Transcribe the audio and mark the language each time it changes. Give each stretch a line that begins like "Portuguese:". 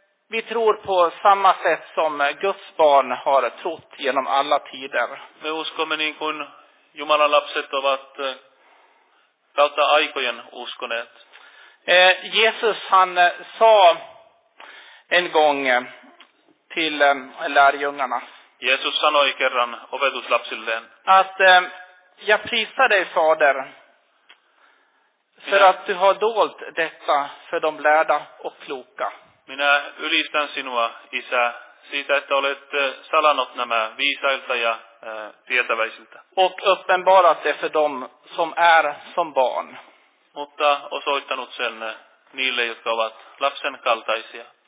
Swedish: Vi tror på samma sätt som Guds barn har trott genom alla tider.
Finnish: Me uskomme niin kuin Jumalan lapset ovat kautta aikojen uskoneet.
Swedish: Jesus han sa en gång till lärjungarna.
Finnish: Jesus sanoi kerran opetuslapsilleen.
Swedish: Att jag prisar dig fader. För att du har dolt detta för de lärda och kloka.
Finnish: Minä ylistän sinua isä siitä, että olet salannut nämä viisailta ja tietäväisiltä.
Swedish: Och uppenbarat det för dem som är som barn.
Finnish: Mutta osoittanut sen niille, jotka ovat lapsen kaltaisia.